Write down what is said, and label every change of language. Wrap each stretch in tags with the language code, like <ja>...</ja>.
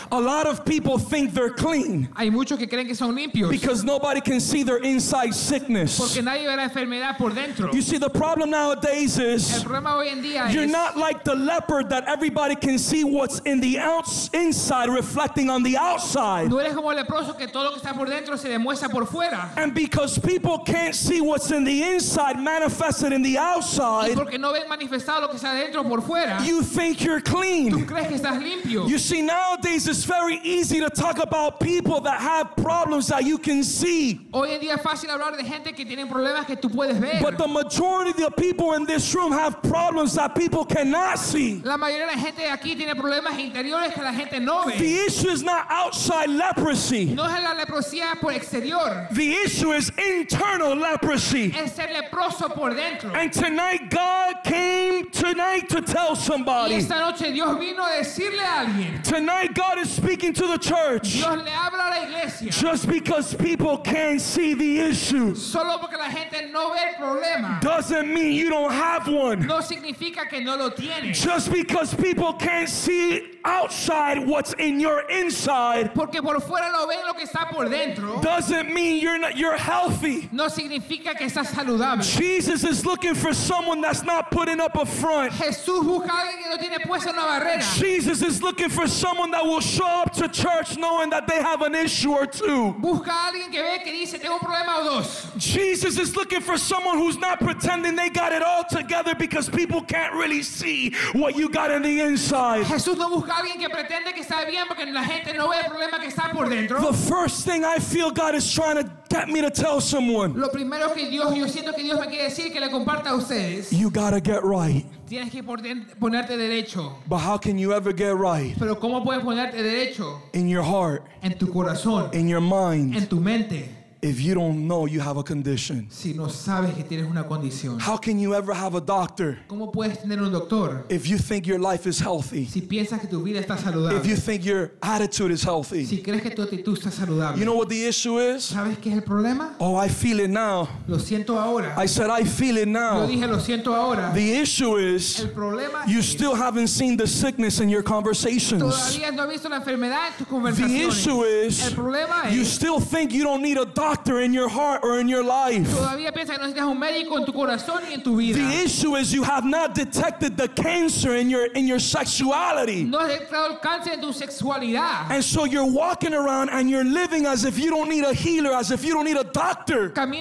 <en>A lot of people think they're clean.</en> <es>Hay muchos que creen que son limpios.</es> <en>Because nobody can see their inside sickness.</en> <es>Porque nadie ve la enfermedad por dentro.</es> <en>You see, the problem nowadays is.</en> <es>El problema hoy en día</es> <en>you're not like the leper that everybody can see what's in the inside reflecting on the outside.</en> <es>No eres como el leproso que todo lo que está por dentro se demuestra por fuera.</es> <en>And because people can't see what's in the inside manifested in the outside.</en> <es>Y porque no ven manifestado lo que está dentro por fuera.</es> <en>You think you're clean.</en> <es>Tú crees que estás limpio.</es> <en>You see, nowadays it's very easy to talk about people that have problems that you can see.</en> <es>Hoy en día es fácil hablar de gente que tienen problemas que tú puedes ver.</es> <en>But the majority of the people in this room have problems that people cannot see.</en> <es>La mayoría de la gente aquí tiene problemas interiores que la gente no ve.</es> <en>The issue is not outside leprosy.</en> <es>No es la leprosía por exterior.</es> <en>The issue is internal leprosy.</en> <es>Es el leproso por dentro.</es> <en>And tonight God came tonight to tell somebody.</en> <es>Y esta noche Dios vino a decirle a alguien.</es> <en>Tonight God is speaking to the church.</en> <es>Dios le habla a la iglesia.</es> <en>Just because people can't see the issue,</en> <es>solo porque la gente no ve el problema,</es> <en>doesn't mean you don't have one.</en> <es>No significa que no lo tiene.</es> <en>Just because people can't see outside what's in your inside,</en> <es>porque por fuera no ven lo que está por dentro,</es> <en>doesn't mean you're healthy.</en> <es>No significa que estás saludable.</es> <en>Jesus is looking for someone that's not putting up a front.</en> <es>Jesús busca alguien que no tiene puesta una barrera.</es> <en>Jesus is looking for someone that will show up to church knowing that they have an issue or two.</en> <es>Busca alguien que ve que dice tengo un problema o dos.</es> <en>Jesus is looking for someone who's not pretending they got it all together because people can't really see what you got in the inside.</en> <es>Jesús no busca alguien que pretende que está bien porque la gente no ve el problema que está por dentro.</es> <en>The first thing I feel God is trying to get me to tell someone.</en> <es>Lo primero que Dios, yo siento que Dios me quiere decir que le comparta a ustedes.</es> <en>You gotta get right.</en> <es>Tienes que ponerte derecho.</es> <en>But how can you ever get right?</en> <es>Pero cómo puedes ponerte derecho?</es> <en>In your heart.</en> <es>En tu corazón.</es> <en>In your mind.</en> <es>En tu mente.</es> <en>If you don't know you have a condition.</en> <es>Si no sabes que tienes una condición.</es> <en>How can you ever have a doctor?</en> <es>¿Cómo puedes tener un doctor?</es> <en>If you think your life is healthy.</en> <es>Si piensas que tu vida está saludable.</es> <en>If you think your attitude is healthy.</en> <es>Si crees que tu actitud está saludable.</es> <en>You know what the issue is?</en> <es>¿Sabes qué es el problema?</es> <en>Oh, I feel it now.</en> <es>Lo siento ahora.</es> <en>I said I feel it now.</en> <es>Yo dije lo siento ahora.</es> <en>The issue is</en> <es>el problema</es> <en>you</en> <es>es</es> <en>still haven't seen the sickness in your conversations.</en> <es>Todavía no has visto la enfermedad en tus conversaciones.</es> <en>The issue is</en> <es>el problema es</es> <en>you still think you don't need a doctor. In your heart or in your life. The issue is you have not detected the cancer in your sexuality. And so you're walking around and you're living as if you don't need a healer, as if you don't need a doctor.</en>